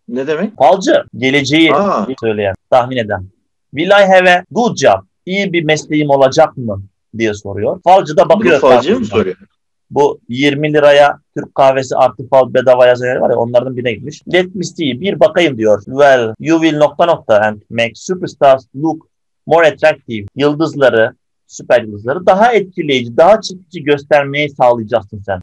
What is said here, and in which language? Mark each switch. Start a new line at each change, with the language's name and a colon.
Turkish: Ne demek? Falcı. Geleceği söyleyen, tahmin eden.
English: Will I have a good job?
Turkish: İyi bir mesleğim olacak mı? Diye soruyor. Falcı da bakıyor. Bu falcıya mı soruyor? Bu 20 liraya Türk kahvesi artı fal bedava yazanları var ya, onlardan birine gitmiş.
English: Let me see.
Turkish: Bir bakayım diyor.
English: Well, you will
Turkish: nokta nokta
English: and make superstars look more attractive.
Turkish: Yıldızları, süper yıldızları daha etkileyici, daha çekici göstermeyi sağlayacaksın sen.